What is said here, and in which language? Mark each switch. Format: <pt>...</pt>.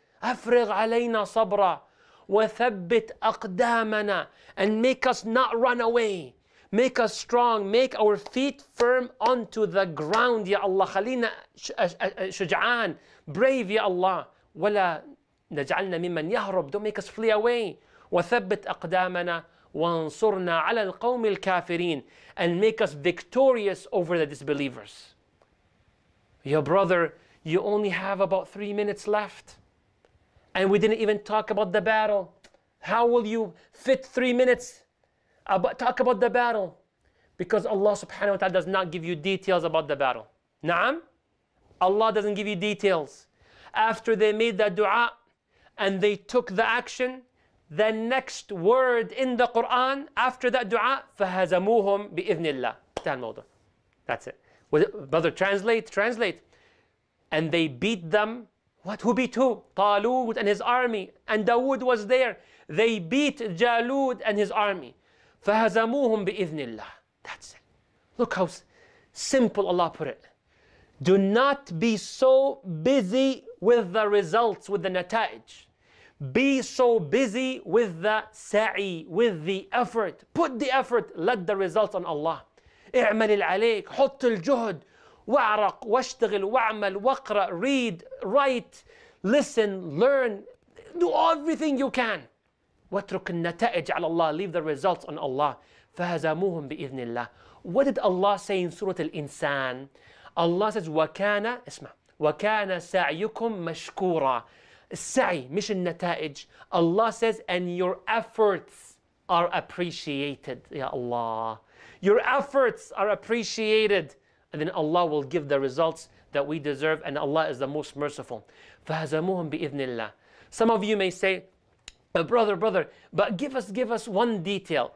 <ar>أَفْرِغْ عَلَيْنَا صَبْرَ وَثَبِّتْ أَقْدَامَنَا.</ar> <en>And make us not run away. Make us strong, make our feet firm onto the ground, Ya Allah.</en> <ar>خلينا شجعان,</ar> <en>brave,</en> <ar>Ya Allah. ولا نجعلنا ممن يهرب,</ar> <en>don't make us flee away.</en> <ar>وثبت أقدامنا وانصرنا على القوم الكافرين.</ar> <en>And make us victorious over the disbelievers. Your brother, you only have about 3 minutes left. And we didn't even talk about the battle. How will you fit 3 minutes? Talk about the battle. Because Allah subhanahu wa ta'ala does not give you details about the battle. Na'am? Allah doesn't give you details. After they made that dua and they took the action, the next word in the Quran after that dua,</en> <ar>فَهَزَمُوهُمْ بِإِذْنِ اللَّهِ تَهَا الْمَوْضُعِ.</ar> <en>That's it. Brother, translate, translate. And they beat them. What? Who beat who? Talud and his army. And Dawood was there. They beat Jalud and his army.</en> <ar>فَهَزَمُوهُمْ بِإِذْنِ اللَّهِ.</ar> <en>That's it. Look how simple Allah put it. Do not be so busy with the results, with the nataij. Be so busy with the sa'i, with the effort. Put the effort, let the results on Allah.</en> <ar>اعمل العليك, حط الجهد, واعرق, واشتغل, واعمل, واقرأ,</ar> <en>read, write, listen, learn. Do everything you can.</en> <ar>واترك النتائج على الله,</ar> <en>leave the results on Allah.</en> <ar>فهزموهم بإذن الله.</ar> <en>What did Allah say in Surah Al-Insan? Allah says,</en> <ar>وكان, اسمع, وكان سعيكم مشكورا. السعي, مش النتائج.</ar> <en>Allah says, and your efforts are appreciated. Ya Allah. Your efforts are appreciated. And then Allah will give the results that we deserve. And Allah is the most merciful.</en> <ar>فَهَزَمُوهُمْ بِإِذْنِ اللَّهِ.</ar> <en>Some of you may say, brother, but give us one detail.</en>